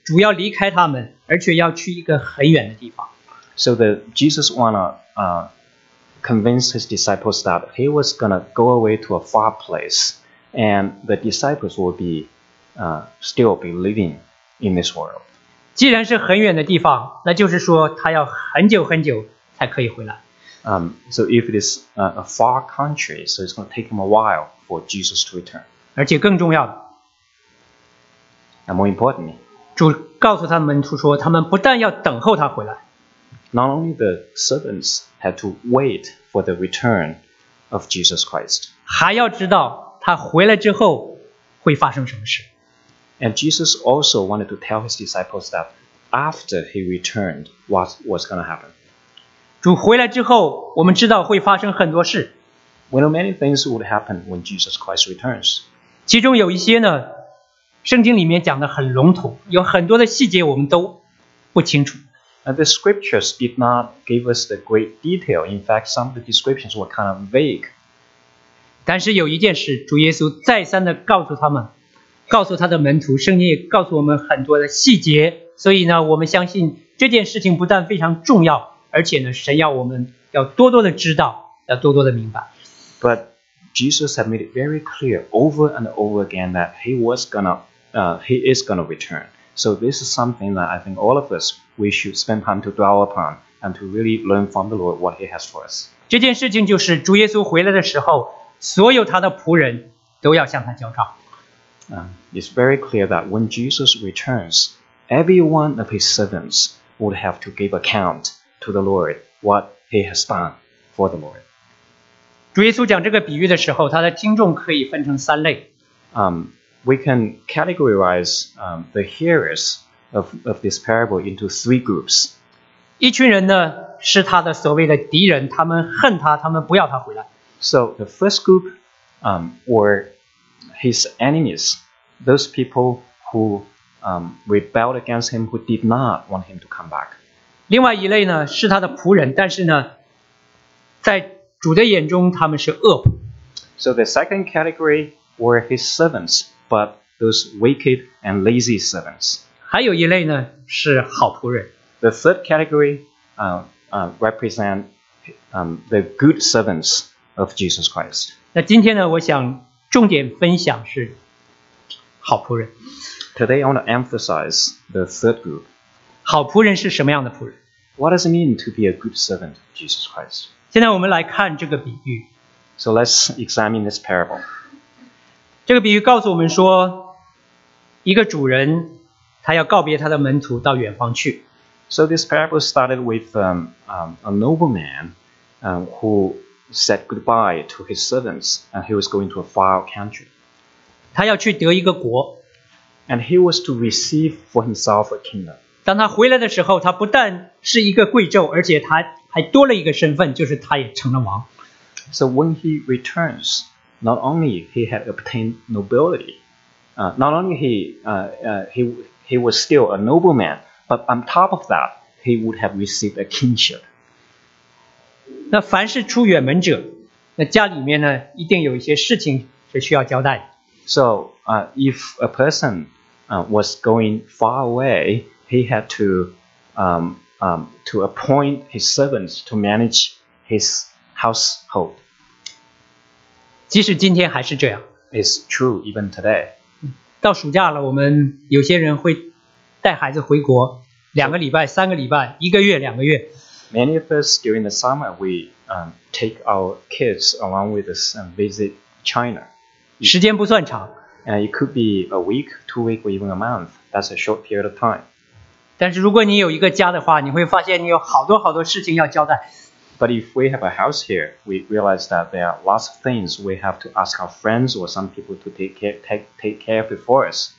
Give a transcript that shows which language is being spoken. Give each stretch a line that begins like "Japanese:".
Chinese: 主的门徒他们必须清楚地知道主要离开他们而且要去一个很远的地方。
English: So the Jesus wanna convince his disciples that he was gonna go away to a far place and the disciples will be still be living in this world.
Chinese: 既然是很远的地方,那就是说他要很久很久才可以回来。
English: So if it is a far country, so it's gonna take him a while for Jesus to return.
Chinese: 而且更重要的,
English: And more importantly,
Chinese: 主告诉他们说,
English: Not only the servants had to wait for the return of Jesus Christ, and Jesus also wanted to tell his disciples that after he returned, what was going to happen.
Chinese: 主回来之后,
English: we know many things would happen when Jesus Christ returns.
Chinese: 其中有一些呢, 圣经里面讲的很笼统,有很多的细节我们都不清楚。
English: And the scriptures did not give us the great detail. In fact, some of the descriptions were kind of vague.
Chinese: 但是有一件事,主耶稣再三地告诉他们,告诉他的门徒,圣经也告诉我们很多的细节,所以呢,我们相信这件事情不但非常重要,而且呢,神要我们要多多地知道,要多多地明白。
English: But Jesus had made it very clear over and over again that he was going to he is going to return. So this is something that I think all of us, we should spend time to dwell upon and to really learn from the Lord what he has for us.
Chinese: 这件事情就是主耶稣回来的时候,所有他的仆人都要向他交账。
English: It's very clear that when Jesus returns, every one of his servants would have to give account to the Lord what he has done for the Lord.
Chinese: 主耶稣讲这个比喻的时候，他的听众可以分成三类。
English: We can categorize the hearers of this parable into three groups.
Chinese: 一群人呢是他的所谓的敌人，他们恨他，他们不要他回来。
English: So the first group were his enemies, those people who rebelled against him, who did not want him to come back.
Chinese: 另外一类呢是他的仆人，但是呢在主的眼中他们是恶仆。
English: So the second category were his servants, but those wicked and lazy servants.
Chinese: 还有一类呢是好仆人。
English: The third category represent the good servants of Jesus Christ.
Chinese: 那今天呢我想重点分享是好仆人。
English: Today I want to emphasize the third group.
Chinese: 好仆人是什么样的仆人？
English: What does it mean to be a good servant of Jesus Christ?
Chinese: 现在我们来看这个比喻。
English: So let's examine this parable.
Chinese: 这个比喻告诉我们说，一个主人他要告别他的门徒到远方去。
English: So this parable started with a nobleman who said goodbye to his servants and he was going to a far country.
Chinese: 他要去得一个国。
English: And he was to receive for himself a kingdom.
Chinese: 当他回来的时候，他不但是一个贵胄，而且他还多了一个身份，就是他也成了王。
English: So when he returns, not only he had obtained nobility, not only he was still a nobleman, but on top of that, he would have received a kingship.
Chinese: 那凡是出远门者，那家里面呢，一定有一些事情是需要交代。
English: So, if a person was going far away, he had to appoint his servants to manage his household.
Chinese: 即使今天还是这样。
English: It's true even today.
Chinese: 到暑假了，我们有些人会带孩子回国，两个礼拜，三个礼拜，一个月，两个月。
English: Many of us during the summer, we take our kids along with us and visit China.
Chinese: 时间不算长。
English: And it could be a week, 2 weeks, or even a month. That's a short period of time.
Chinese: 但是如果你有一个家的话，你会发现你有好多好多事情要交代。
English: But if we have a house here, we realize that there are lots of things we have to ask our friends or some people to take care of before us.